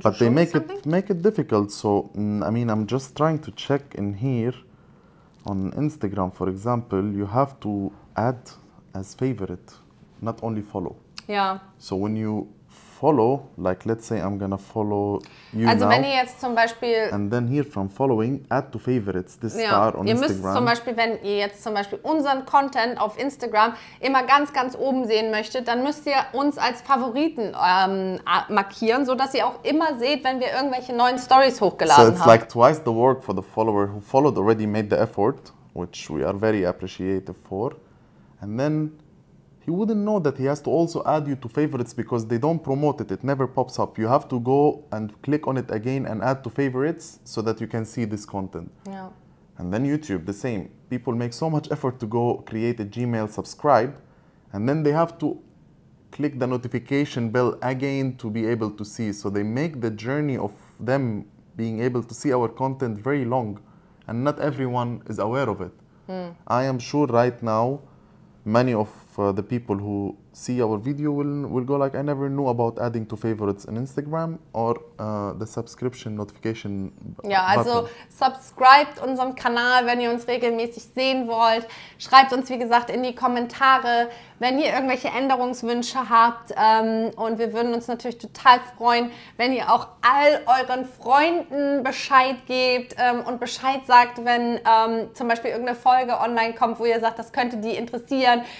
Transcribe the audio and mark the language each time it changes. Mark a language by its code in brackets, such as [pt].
[en] But they make it difficult. So I mean, I'm just trying to check in here on Instagram, for example. You have to add as favorite, not only follow. Yeah. So when you follow, like let's say I'm gonna follow you also now. [de] Also wenn ihr jetzt zum Beispiel. [en] And then here from following, add to favorites this star on Instagram. [de] Ihr müsst zum Beispiel, wenn ihr jetzt zum Beispiel unseren Content auf Instagram immer ganz, ganz oben sehen möchtet, dann müsst ihr uns als Favoriten markieren, sodass ihr auch immer seht, wenn wir irgendwelche neuen Stories hochgeladen haben. [en] So it's like twice the work for the follower who followed already made the effort, which we are very appreciative for. And then he wouldn't know that he has to also add you to favorites because they don't promote it. It never pops up. You have to go and click on it again and add to favorites so that you can see this content. Yeah. And then YouTube, the same. People make so much effort to go create a Gmail subscribe and then they have to click the notification bell again to be able to see. So they make the journey of them being able to see our content very long and not everyone is aware of it. Mm. I am sure right now many of the people who see our video will go like, I never knew about adding to favorites on Instagram or the subscription notification button. [de] Ja, also subscribed unserem Kanal, wenn ihr uns regelmäßig sehen wollt. Schreibt uns, wie gesagt, in die Kommentare, wenn ihr irgendwelche Änderungswünsche habt. Und wir würden uns natürlich total freuen, wenn ihr auch all euren Freunden Bescheid gebt und Bescheid sagt, wenn zum Beispiel irgendeine Folge online kommt, wo ihr sagt, das könnte die interessieren.